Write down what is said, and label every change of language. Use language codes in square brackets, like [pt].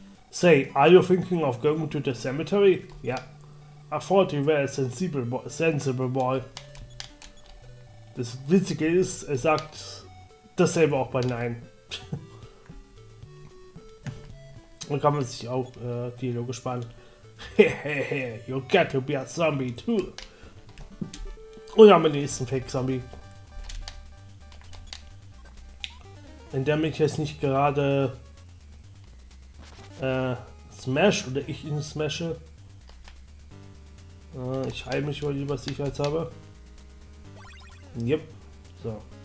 [en] Say, are you thinking of going to the cemetery? Ja. Yeah. I thought you were a sensible boy. [de] Das Witzige ist, er sagt dasselbe auch bei Nein. Da kann man sich auch Dialoge sparen. [en] Hehehe, you got to be a zombie too. [de] Und dann haben wir den nächsten Fake-Zombie. Wenn der mich jetzt nicht gerade smasht oder ich ihn smashe. Ich heile mich wohl lieber sicherheitshalber. Yep. So.